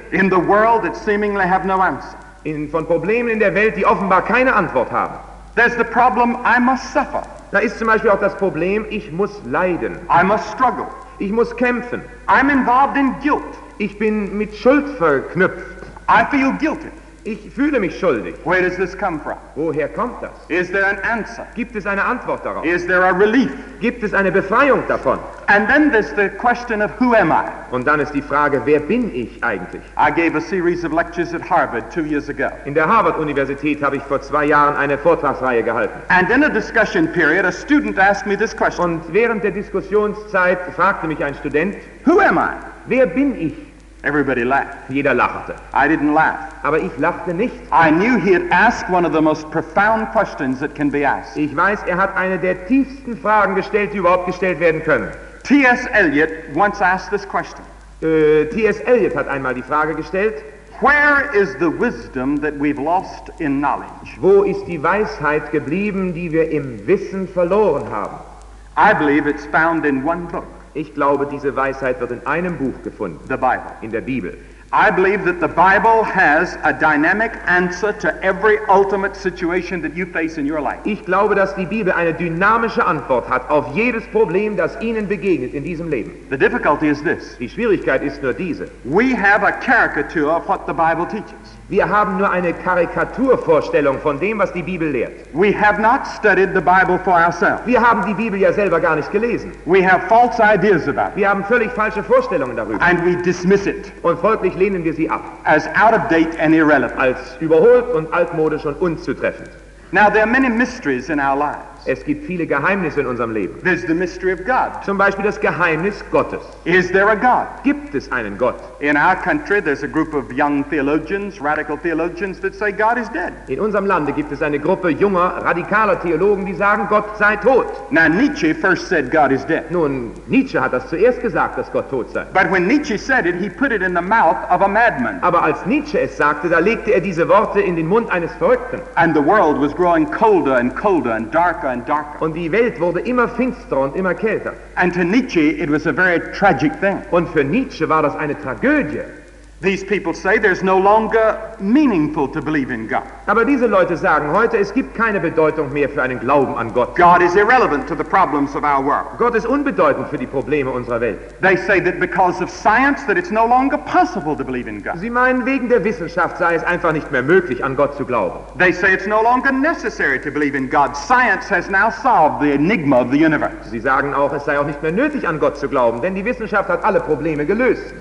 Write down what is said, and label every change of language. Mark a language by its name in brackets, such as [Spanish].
[English] In the world that seemingly have no answer. [German] Von Problemen in der Welt, die offenbar keine Antwort haben. [English] There's the problem, I must suffer. [German] Da ist zum Beispiel auch das Problem, ich muss leiden. [English] I must struggle. [German] Ich muss kämpfen. [English] I'm involved in guilt. [German] Ich bin mit Schuld verknüpft. [English] I feel guilty. [German] Ich fühle mich schuldig. [English] Where does this come from? [German] Woher kommt das? [English] Is there an answer? [German] Gibt es eine Antwort darauf? [English] Is there a relief? [German] Gibt es eine Befreiung davon? [English] And then there's the question of who am I? [German] Und dann ist die Frage, wer bin ich eigentlich? [English] I gave a series of lectures at Harvard 2 years ago. [German] In der Harvard-Universität habe ich vor 2 Jahren eine Vortragsreihe gehalten. [English] And in a discussion period, a student asked me this question. [German] Und während der Diskussionszeit fragte mich ein Student, [English] who am I? [German] Wer bin ich? [English] Everybody laughed. [German] Jeder lachte. [English] I didn't laugh. [German] Aber ich lachte nicht. [English] I knew he had asked one of the most profound questions that can be asked. [German] Ich weiß, hat eine der tiefsten Fragen gestellt, die überhaupt gestellt werden können. [English] T.S. Eliot once asked this question. [German] T.S. Eliot hat einmal die Frage gestellt. [English] Where is the wisdom that we've lost in knowledge? [German] Wo ist die Weisheit geblieben, die wir im Wissen verloren haben? [English] I believe it's found in one book. [German] Ich glaube, diese Weisheit wird in einem Buch gefunden, [English] the Bible. [German] In der Bibel. [English] I believe that the Bible has a dynamic answer to every ultimate situation that you face in your life. [German] Ich glaube, dass die Bibel eine dynamische Antwort hat auf jedes Problem, das Ihnen begegnet in diesem Leben. [English] The difficulty is this. [German] Die Schwierigkeit ist nur diese. [English] We have a caricature of what the Bible teaches. [German] Wir haben nur eine Karikaturvorstellung von dem, was die Bibel lehrt. [English] We have not studied the Bible for ourselves. [German] Wir haben die Bibel ja selber gar nicht gelesen. [English] We have false ideas about it. [German] Wir haben völlig falsche Vorstellungen darüber. [English] And we dismiss it. [German] Und folglich lehnen wir sie ab. [English] As out of date and irrelevant. [German] Als überholt und altmodisch und unzutreffend. [English] Now there are many mysteries in our lives. [German] Es gibt viele Geheimnisse in unserem Leben. [English] There's the mystery of God. [German] Zum Beispiel das Geheimnis Gottes. [English] Is there a God? [German] Gibt es einen Gott? [English] In our country, there's a group of young theologians, radical theologians, that say God is dead. [German] In unserem Lande gibt es eine Gruppe junger, radikaler Theologen, die sagen, Gott sei tot. [English] Now Nietzsche first said God is dead. [German] Nun, Nietzsche hat das zuerst gesagt, dass Gott tot sei. [English] But when Nietzsche said it, he put it in the mouth of a madman. [German] Aber als Nietzsche es sagte, da legte diese Worte in den Mund eines Verrückten. [English] And the world was growing colder and colder and darker. [German] Und die Welt wurde immer finsterer und immer kälter. [English] And to Nietzsche, it was a very tragic thing. [German] Und für Nietzsche war das eine Tragödie. [English] These people say there's no longer meaningful to believe in God. [German] Aber diese Leute sagen heute, es gibt keine Bedeutung mehr für einen Glauben an Gott. [English] God is irrelevant to the problems of our world. [German] Gott ist unbedeutend für die Probleme unserer Welt. [English] They say that because of science that it's no longer possible to believe in God. [German] Sie meinen, wegen der Wissenschaft sei es einfach nicht mehr möglich, an Gott zu glauben. [English] They say it's no longer necessary to believe in God. Science has now solved the enigma of the universe. [German] Sie sagen auch, es sei auch nicht mehr nötig, an Gott zu glauben, denn die Wissenschaft hat alle Probleme gelöst.